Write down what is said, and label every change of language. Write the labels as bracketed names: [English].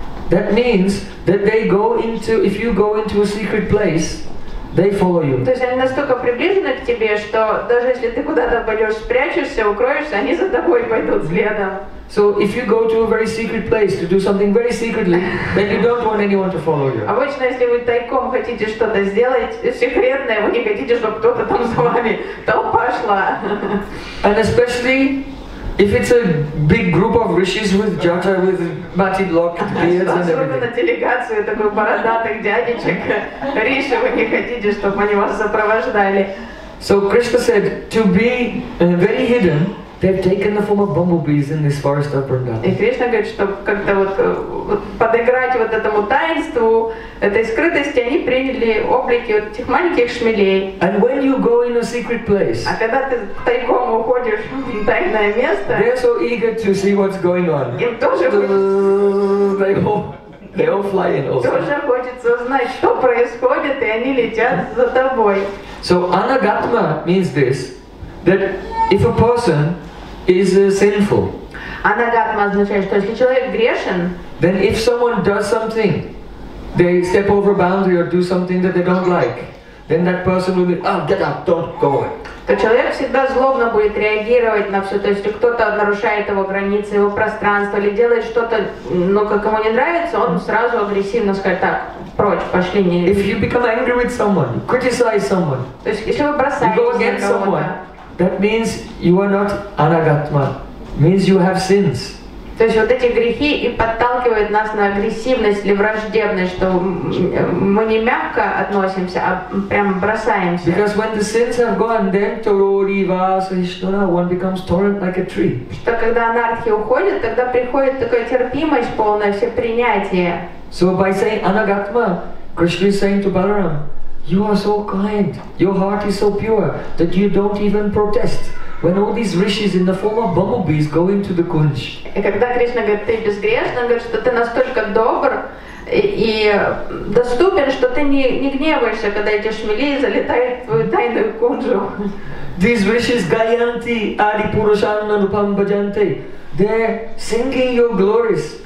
[English] That means that they go into, if you go into a secret place, they follow you. [Russian] То есть они настолько приближены к тебе, что даже если ты куда-то пойдешь, спрячешься, укроешься, они за тобой пойдут следом. [English] So if you go to a very secret place to do something very secretly, then you don't want anyone to follow you. [Russian] Обычно, если вы тайком хотите что-то сделать секретное, вы не хотите, чтобы кто-то там за вами толпа шла. [English] And especially if it's a big group of rishis with jata, with matted locked beards and everything. [Russian] Особенно делегацию такой бородатых дядечек риши, вы не хотите, чтобы они вас сопровождали. [English] So Krishna said to be very hidden. They've taken the form of bumblebees in this forest of Vrindavan. [Russian] И Кришна говорит, что как-то вот подыграть вот этому таинству, этой скрытости, они приняли облики вот этих маленьких шмелей. [English] And when you go in a secret place, [Russian] а когда ты тайком уходишь в тайное место, [English] they're so eager to see what's going on. [Russian] Им тоже тоже хочется узнать, что происходит, и они летят за тобой. [English] So anagatma means this, that if a person is sinful. [Russian] Анагатма означает, что если человек грешен, [English] then if someone does something, they step over a boundary or do something that they don't like, then that person will be, get up, don't go away. [Russian] То человек всегда злобно будет реагировать на все. То есть, если кто-то нарушает его границы, его пространство, или делает что-то, ну, как ему не нравится, он сразу агрессивно скажет, так, прочь, пошли, не... [English] If you become angry with someone, you criticize someone, [Russian] то есть, если вы бросаетесь, [English] you go against someone, that means you are not anagatma, means you have sins. [Russian] То есть вот эти грехи и подталкивают нас на агрессивность или враждебность, что мы не мягко относимся, а прямо бросаемся. [English] Because when the sins have gone, then [Sanskrit] torori vasa ishtara, [English] one becomes torrent like a tree. [Russian] Что когда анархи уходят, тогда приходит такая терпимость полная, все принятие. [English] So by saying anagatma, Krishna is saying to Balaram, you are so kind, your heart is so pure that you don't even protest when all these rishis in the form of bumblebees go into the Kunj. [Russian] И когда Кришна говорит, ты безгрешен, он говорит, что ты настолько добр и доступен, что ты не гневаешься, когда эти шмели залетают в твою тайную кунжу. [English] These rishis [Sanskrit] gayanti adi purushanna rupam bhajante. [English] They're singing your glories.